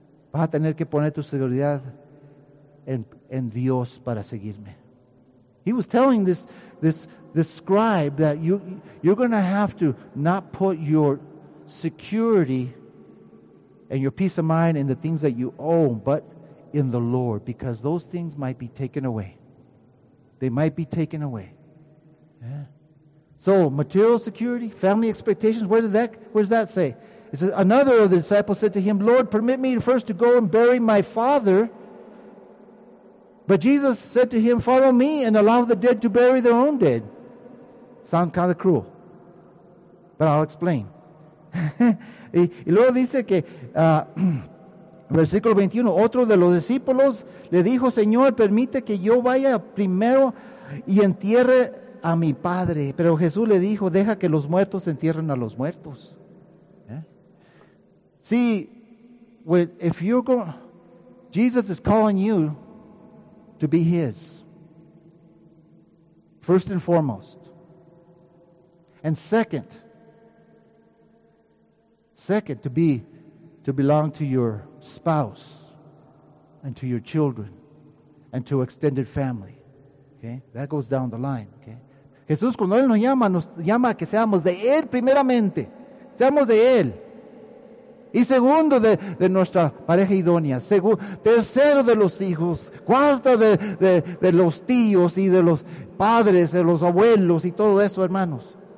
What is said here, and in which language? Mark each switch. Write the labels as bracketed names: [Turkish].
[Spanish] Vas a tener que poner tu seguridad en Dios para seguirme. [English] He was telling this scribe that you're going to have to not put your security and your peace of mind in the things that you own, but in the Lord, because those things might be taken away. They might be taken away. Yeah. So material security, family expectations, where does that say? It says, another of the disciples said to him, Lord, permit me first to go and bury my father. But Jesus said to him, follow me and allow the dead to bury their own dead. Sound kind of cruel. But I'll explain. [Spanish] Y luego dice que, versículo 21, otro de los discípulos le dijo, Señor, permite que yo vaya primero y entierre a mi padre. Pero Jesús le dijo, deja que los muertos entierren a los muertos. [English] See, if you're going, Jesus is calling you to be His, first and foremost. And second, to belong to your spouse and to your children and to extended family. Okay? That goes down the line. Okay? [Spanish] Jesús, cuando Él nos llama a que seamos de Él primeramente, seamos de Él. Y segundo de nuestra pareja idónea. Tercero de los hijos. Cuarto de los tíos y de los padres, de los abuelos y todo eso, hermanos.